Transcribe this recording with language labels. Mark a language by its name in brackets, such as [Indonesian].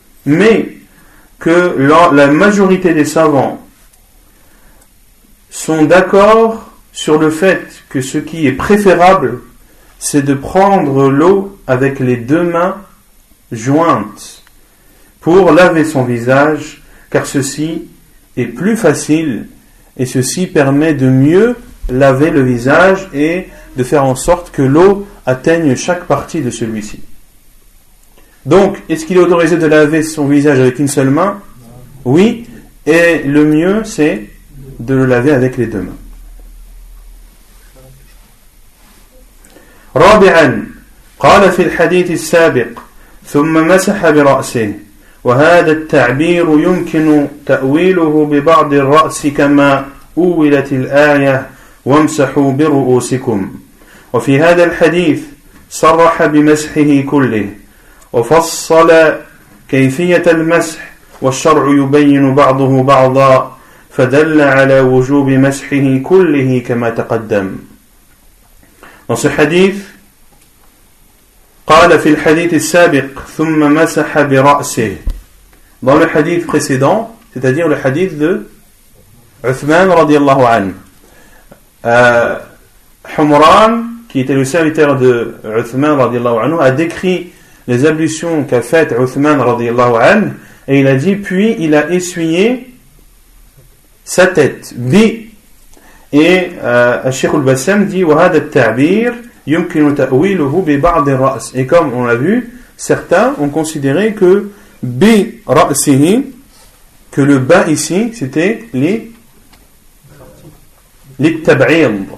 [French] Mais que la majorité des savants sont d'accord sur le fait que ce qui est préférable, c'est de prendre l'eau avec les deux mains jointes pour laver son visage, car ceci est plus facile et ceci permet de mieux laver le visage et de faire en sorte que l'eau atteigne chaque partie de celui-ci. Donc, est-ce qu'il est autorisé de laver son visage avec une seule main ? Oui, et le mieux, c'est de le laver avec les deux mains. [Arabic] رابعا قال في الحديث السابق ثم مسح برأسه وهذا التعبير يمكن تأويله ببعض الرأس كما أولت الآية وامسحوا برؤوسكم وفي هذا الحديث صرح بمسحه كله وفصل كيفية المسح والشرع يبين بعضه بعضا فدل على وجوب مسحه كله كما تقدم. [French] Dans ce hadith, [Arabic] قال في الحديث السابق ثم مسح برأسه. [French] Dans le hadith précédent, c'est-à-dire le hadith de Uthman radiallahu anhu, Humran, qui était le serviteur de Uthman radiallahu anhu, a décrit les ablutions qu'a faites Uthman radiallahu anhu, et il a dit, puis il a essuyé sa tête, bi. Et Cheikh al-Bassam dit [Arabic] وَهَذَا التَّعْبِيرُ يُمْكِنُ تَأْوِيلُهُ بِبَعْضِ الرَّأْسِ. [French] Et comme on l'a vu, certains ont considéré que بِرَأْسِهِ, que le bas ici, c'était les tab'ir.